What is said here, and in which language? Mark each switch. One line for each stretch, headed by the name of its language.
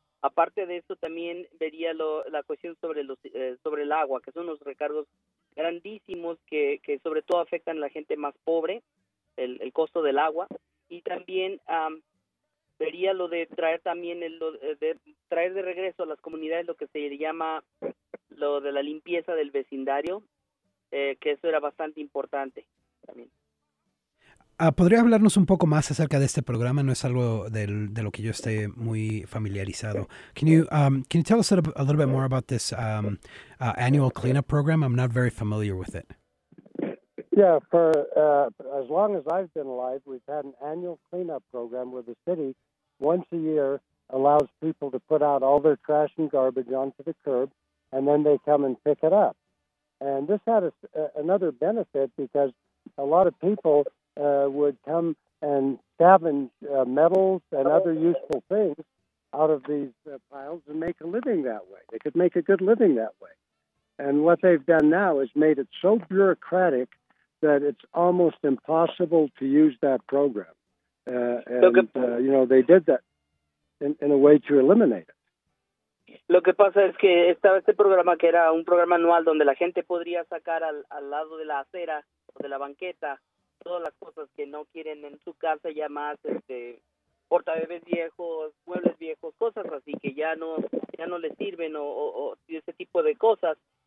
Spanish: Aparte de eso, también vería la cuestión sobre el agua, que son unos recargos grandísimos que sobre todo afectan a la gente más pobre, el costo del agua, y también vería lo de traer también traer de regreso a las comunidades lo que se llama lo de la limpieza del vecindario, que eso era bastante importante también. ¿Podría hablarnos un poco más acerca de este programa? No es algo de lo que yo esté muy familiarizado.
English: Can you tell us a little bit more about this annual cleanup program? I'm not very familiar with it. Yeah, for as long as I've been alive, we've had an annual cleanup program where the city, once a year, allows people to put out all their trash and garbage onto the curb, and then they come and pick it up. And this had another benefit because a lot of people would come and scavenge metals and other useful things out of these piles and make a living that way. They could make a good living that way. And what they've done now is made it so bureaucratic that it's almost impossible to use that program. They did that in a way to eliminate it.
Spanish: Lo que pasa es que estaba este programa que era un programa anual donde la gente podría sacar al lado de la acera o de la banqueta todas las cosas que no quieren en su casa, ya más portabebés viejos, muebles viejos, cosas así que ya no les sirven o ese tipo de cosas.